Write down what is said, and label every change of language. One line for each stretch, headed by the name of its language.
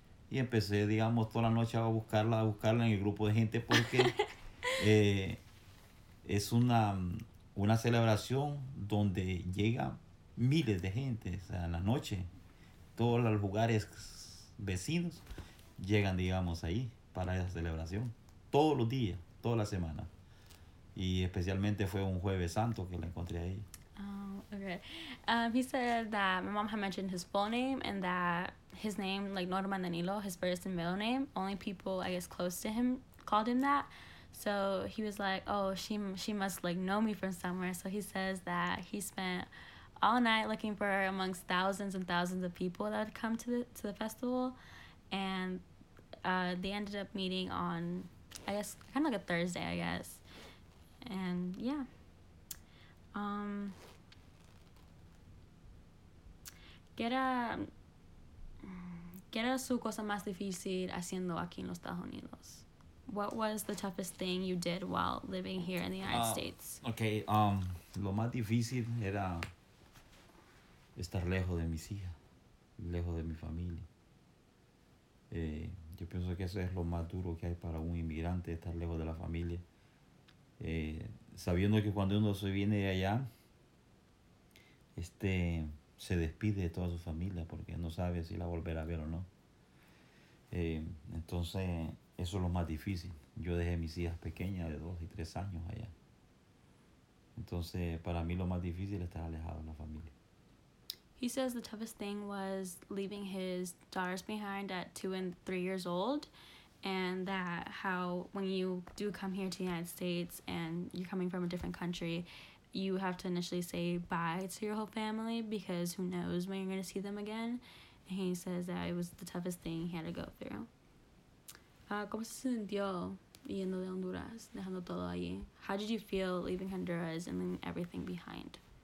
Spanish: Y empecé, digamos, toda la noche a buscarla en el grupo de gente, porque es una celebración donde llega miles de gente, o sea, en la noche. Todos los lugares vecinos llegan, digamos, ahí para esa celebración. Todos los días, toda la semana. Y especialmente fue un Jueves Santo que la encontré ahí.
English: Okay. He said that my mom had mentioned his full name and that his name, like Norman Danilo, his first and middle name, only people, I guess, close to him called him that. So he was like, oh, she must like know me from somewhere. So he says that he spent all night looking for her amongst thousands and thousands of people that had come to the festival. And they ended up meeting on, I guess, kind of like a Thursday, I guess. And yeah.
Spanish: ¿Qué era su cosa más difícil haciendo aquí en los Estados Unidos?
English: What was the toughest thing you did while living here in the United States?
Spanish: Okay, lo más difícil era estar lejos de mis hijas, lejos de mi familia. Yo pienso que eso es lo más duro que hay para un inmigrante, estar lejos de la familia. Sabiendo que cuando uno se viene de allá, se despide de toda su familia porque no sabe si la volverá a ver o no. Entonces, eso es lo más difícil. Yo dejé mis hijas pequeñas de 2 y 3 años allá. Entonces, para mí lo más difícil es estar alejado de la familia.
English: He says the toughest thing was leaving his daughters behind at 2 and 3 years old. And that how when you do come here to the United States and you're coming from a different country, you have to initially say bye to your whole family because who knows when you're going to see them again. And he says that it was the toughest thing he had to go through.
Spanish: ¿Cómo se sintió yendo de Honduras, dejando todo allí?
English: How did you feel leaving Honduras and leaving everything behind?